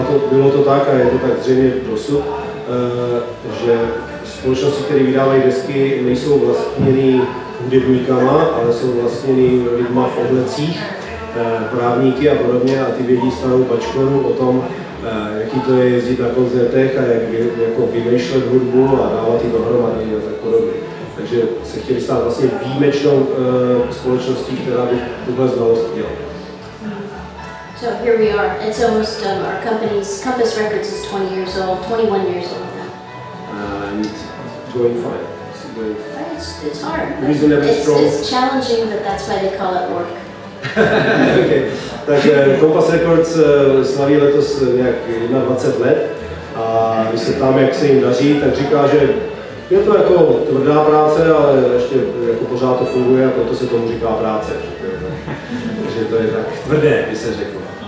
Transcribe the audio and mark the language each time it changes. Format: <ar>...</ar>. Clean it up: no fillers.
<cs>bylo to tak, a je to tak zřejmě dosud, že společnosti, které vydávají desky, nejsou vlastněny hudebníkama, ale jsou vlastněny lidma v oblecích, právníky a podobně, a ty vědí starou bačkonu o tom, jaký to je jezdit na koncertech a jak vymýšlet hudbu a dávat ji dohromady a tak podobně. takže se chtěli stát vlastně výjimečnou společností, která by tuhle znalost měla.</cs> <en>So here we are. It's almost our company's Compass Records is 20 years old, 21 years old now. And it's going fine. It's hard. Reasonably strong. It's challenging, but that's why they call it work. Okay.</en> <cs>Takže Compass Records slaví letos nějak 21 let a když se ptáme, jak se jim daří, tak říká, že je to jako tvrdá práce, ale ještě jako pořád to funguje a proto se tomu říká práce. Takže to je tak tvrdé, by se řeklo.</cs>